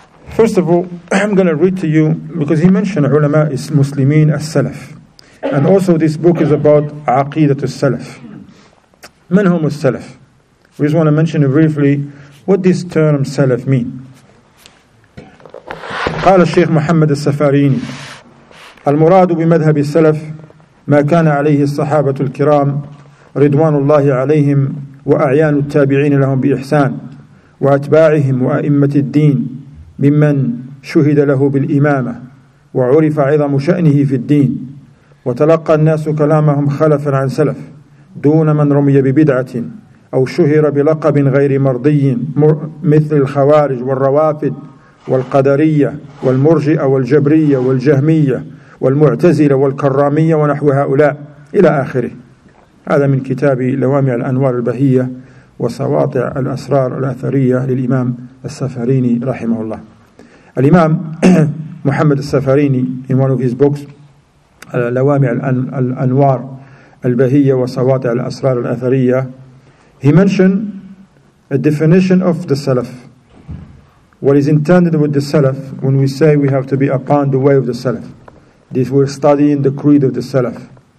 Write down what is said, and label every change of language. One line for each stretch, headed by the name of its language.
English: First of all, I'm going to read to you, because he mentioned ulama is Muslimin as-Salaf. And also this book is about Aqidah as-Salaf. Man hum as-Salaf? We just want to mention briefly what this term Salaf mean.
Arabic: قال الشيخ محمد السفاريني المراد بمذهب السلف ما كان عليه الصحابة الكرام رضوان الله عليهم وأعيان التابعين لهم بإحسان وأتباعهم وأئمة الدين ممن شهد له بالإمامة وعرف عظم شأنه في الدين وتلقى الناس كلامهم خلفا عن سلف دون من رمي ببدعة أو شهر بلقب غير مرضي مثل الخوارج والروافد والقدرية والمرجئة والجبرية والجهمية والمعتزلة والكرامية ونحو هؤلاء إلى آخره. هذا من كتاب لوامع الأنوار البهية وسواطع الأسرار الأثرية للإمام السفاريني رحمه الله.
English: الإمام محمد السفاريني in one of his books لوامع الأنوار البهية وسواطع الأسرار الأثرية, he mentioned a definition of the Salaf. What is intended with the Salaf, when we say we have to be upon the way of the Salaf, this we're studying the creed of the Salaf.